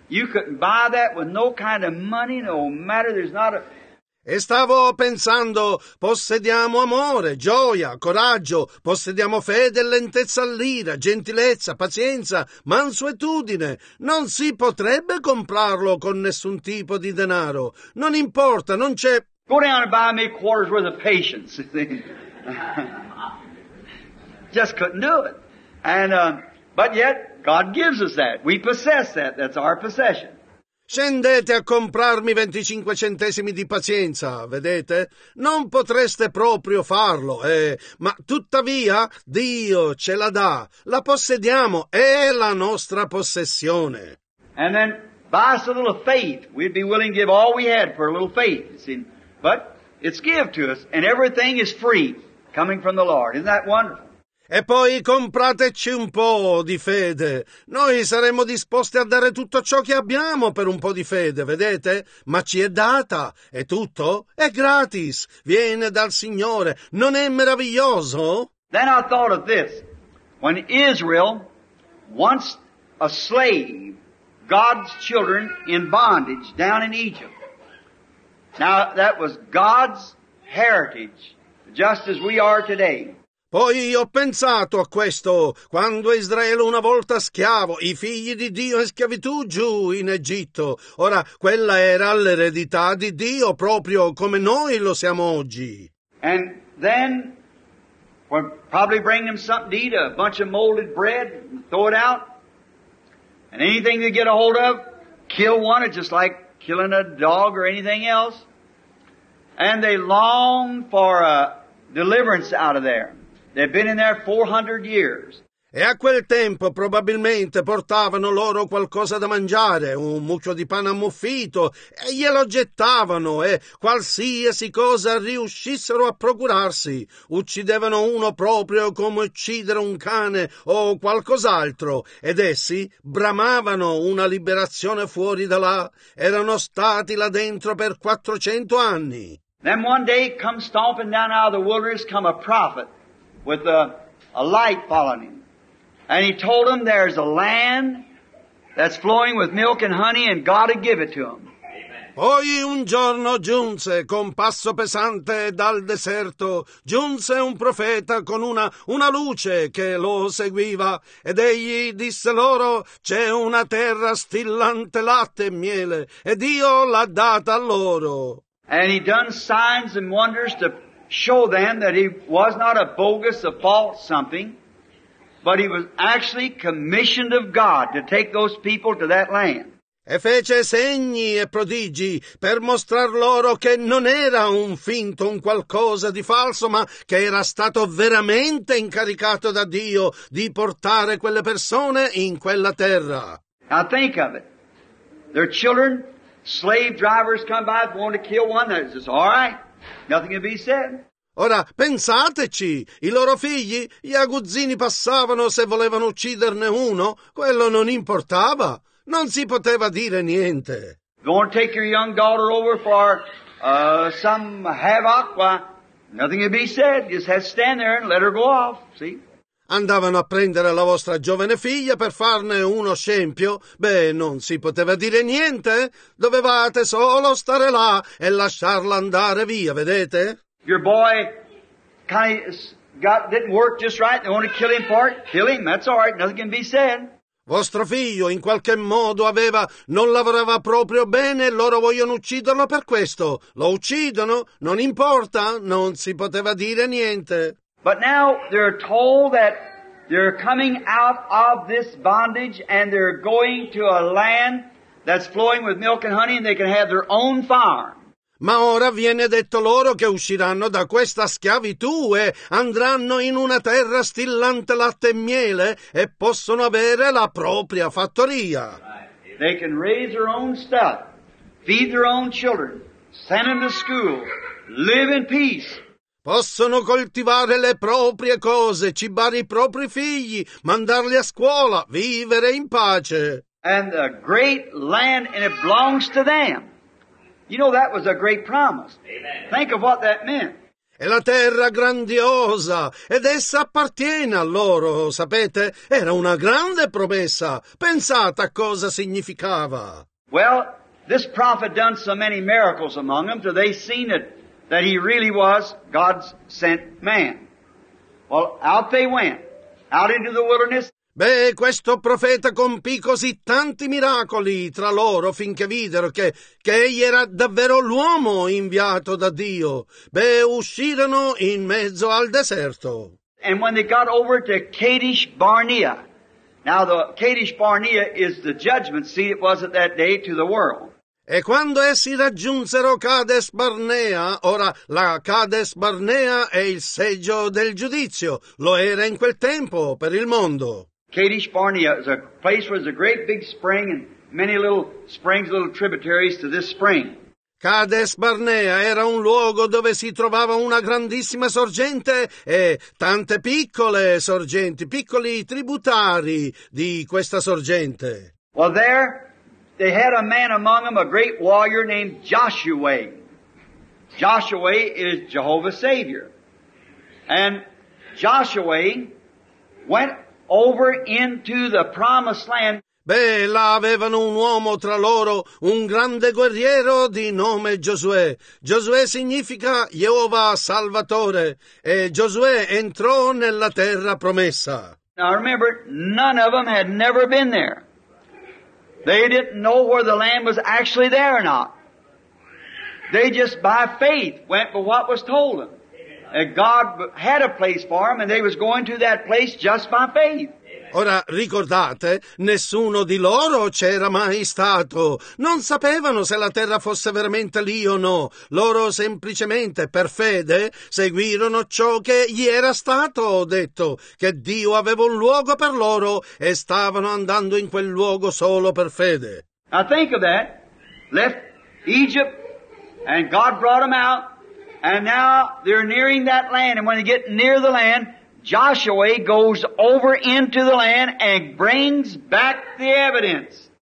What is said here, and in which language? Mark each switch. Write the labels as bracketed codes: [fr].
[en] You couldn't buy that with no kind of money, no matter. There's not a. [it] E stavo pensando, possediamo amore, gioia, coraggio, possediamo fede, lentezza all'ira, gentilezza, pazienza, mansuetudine. Non si potrebbe comprarlo con nessun tipo di denaro. Non importa, non c'è. [en] Go down and buy me a quarter's worth of patience. Just couldn't do it. But yet God gives us that. We possess that. That's our possession. [it] Scendete a comprarmi 25 centesimi di pazienza, vedete? Non potreste proprio farlo, ma tuttavia Dio ce la dà. La possediamo, è la nostra possessione. [en] And then buy us a little faith. We'd be willing to give all we had for a little faith. You see? But it's give to us and everything is free coming from the Lord. Isn't that wonderful? [it] E poi comprateci un po' di fede. Noi saremmo disposti a dare tutto ciò che abbiamo per un po' di fede, vedete? Ma ci è data. E tutto è gratis. Viene dal Signore. Non è meraviglioso? [en] Then I thought of this. When Israel, once a slave, God's children in bondage down in Egypt. Now that was God's heritage, just as we are today. [it] Poi ho pensato a questo, quando Israele una volta schiavo, i figli di Dio in schiavitù giù in Egitto. Ora, quella era l'eredità di Dio, proprio come noi lo siamo oggi. [en] And then, we'll probably bring them something to eat, a bunch of molded bread, and throw it out. And anything you get a hold of, kill one, just like killing a dog or anything else. And they long for a deliverance out of there. They've been in there 400 years. [it] E a quel tempo probabilmente portavano loro qualcosa da mangiare, un mucchio di pane ammuffito, e glielo gettavano, e qualsiasi cosa riuscissero a procurarsi, uccidevano uno proprio come uccidere un cane o qualcos'altro, ed essi bramavano una liberazione fuori da là, erano stati là dentro per 400 anni. [en] Then one day come stomping down out of the wilderness come a prophet. With a light following him. And he told them there's a land that's flowing with milk and honey and God had give it to them. [it] Poi un giorno giunse con passo pesante dal deserto, giunse un profeta con una luce che lo seguiva ed egli disse loro c'è una terra stillante latte e miele e Dio l'ha data loro. [en] And he done signs and wonders to show them that he was not a bogus, a false something, but he was actually commissioned of God to take those people to that land. [it] E fece segni e prodigi per mostrar loro che non era un finto, un qualcosa di falso, ma che era stato veramente incaricato da Dio di portare quelle persone in quella terra. [en] Now think of it. Their children, slave drivers come by, want to kill one, that's just all right. Nothing can be said. [it] Ora pensateci, i loro figli, gli aguzzini passavano se volevano ucciderne uno, quello non importava, non si poteva dire niente. [en] Going to take your young daughter over for some havoc? Why, nothing can be said. Just have to stand there and let her go off. See? [it] Andavano a prendere la vostra giovane figlia per farne uno scempio? Beh, non si poteva dire niente. Dovevate solo stare là e lasciarla andare via, vedete? [en] Your boy kind of got, didn't work just right. They want to kill him for it. Kill him, that's all right. Nothing can be said. [it] Vostro figlio in qualche modo non lavorava proprio bene e loro vogliono ucciderlo per questo. Lo uccidono, non importa, non si poteva dire niente. [en] But now they're told that they're coming out of this bondage and they're going to a land that's flowing with milk and honey and they can have their own farm. [it] Ma ora viene detto loro che usciranno da questa schiavitù e andranno in una terra stillante latte e miele e possono avere la propria fattoria. [en] They can raise their own stuff, feed their own children, send them to school, live in peace. [it] Possono coltivare le proprie cose, cibare i propri figli, mandarli a scuola, vivere in pace. [en] And a great land, and it belongs to them. You know, that was a great promise. Amen. Think of what that meant. [it] E la terra grandiosa, ed essa appartiene a loro, sapete? Era una grande promessa. Pensate a cosa significava. [en] Well, this prophet done so many miracles among them, so they seen it, that he really was God's sent man. Well, out they went, out into the wilderness. [it] Beh, questo profeta compì così tanti miracoli tra loro finché videro che egli era davvero l'uomo inviato da Dio. Beh, uscirono in mezzo al deserto. [en] And when they got over to Kadesh Barnea. Now the Kadesh Barnea is the judgment seat it was at that day to the world. [it] E quando essi raggiunsero Kadesh Barnea, ora la Kadesh Barnea è il seggio del giudizio, lo era in quel tempo per il mondo. [en] Kadesh Barnea is a place where there's a great big spring and many little springs, little tributaries to this spring. [it] Kadesh Barnea era un luogo dove si trovava una grandissima sorgente e tante piccole sorgenti, piccoli tributari di questa sorgente. [en] Well, there they had a man among them, a great warrior named Joshua. Joshua is Jehovah's Savior. And Joshua went over into the promised land. [it] Beh, là avevano un uomo tra loro, un grande guerriero di nome Giosuè. Giosuè significa Jehovah Salvatore. E Giosuè entrò nella terra promessa. [en] Now remember, none of them had never been there. They didn't know where the land was actually there or not. They just by faith went for what was told them. And God had a place for them, and they was going to that place just by faith. [it] Ora ricordate, nessuno di loro c'era mai stato. Non sapevano se la terra fosse veramente lì o no. Loro semplicemente, per fede, seguirono ciò che gli era stato detto, che Dio aveva un luogo per loro e stavano andando in quel luogo solo per fede. [en] Now think of that. Left Egypt, and God brought them out. And now they're nearing that land, and when they get near the land, Joshua goes over into the land and brings back the evidence.